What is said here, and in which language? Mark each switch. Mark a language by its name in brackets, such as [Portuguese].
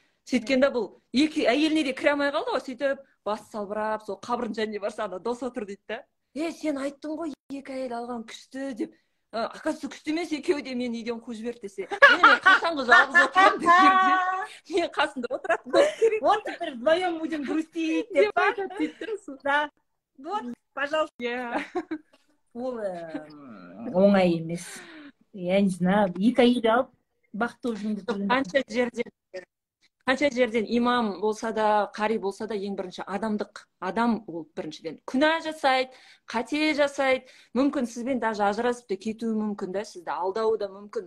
[Kazakh] Сөйткенде бұл екі әйеліне де кіре алмай қалды ғой, сөйтіп басы салбырап сол қабірдің жанына барса ана дос отыр дейді да, сен айттың ғой екі әйел алған күшті деп, оказывается күшті емес екеуі де мені үйден қуып жіберді десе, мен қашанғы жалғыз отырамын деп жерде, мен қасында отыратын болу керек. [Russian] Вот теперь вдвоем будем грустить [Kazakh] деп айтады дейді. [Russian] Да, вот пожалуйста. [Kazakh] Ол оңай емес, [Russian] я не знаю, [Kazakh] екі әйел алып бақытты жүрді. Қанша жерден имам болса да, қари болса да, ең бірінші адамдық адам ол. Біріншіден күнә жасайды, қате жасайды, мүмкін сізбен даже ажырасып та кетуі мүмкін да, сізді алдауы да мүмкін.